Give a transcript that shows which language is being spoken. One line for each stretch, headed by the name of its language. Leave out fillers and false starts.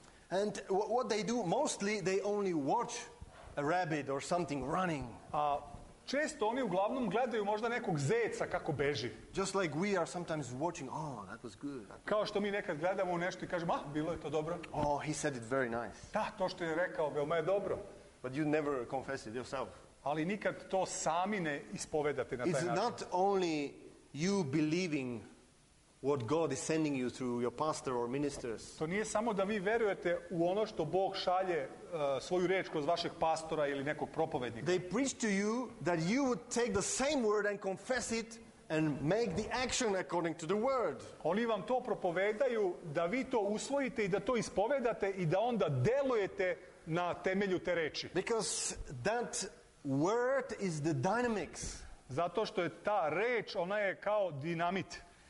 English: And what they do mostly, they only watch a rabbit or something running.
Serbian: A često oni uglavnom gledaju možda nekog zeca kako beži.
English: Just like we are sometimes watching, oh, that was good.
Serbian: Kao što mi nekad gledamo nešto i kažemo, ah, bilo je to dobro.
English: Oh, he said it very nice.
Serbian: Da, to što je rekao, veoma je dobro.
English: But you never confess it yourself.
Serbian: Ali nikad to sami ne ispovedate na taj način.
English: It's not only you believing what God is sending you through your pastor or ministers.
Serbian: To nije samo da vi vjerujete u ono što Bog šalje svoju riječ kroz vašeg pastora ili nekog propovjednika.
English: They preach to you that you would take the same word and confess it and make the action according to the word.
Serbian: Oni vam to propovedaju da vi to usvojite i da to ispovedate i da onda djelujete na temelju te riječi.
English: Because that word is the dynamics.
Serbian: Zato što je ta riječ, ona je kao dinamit.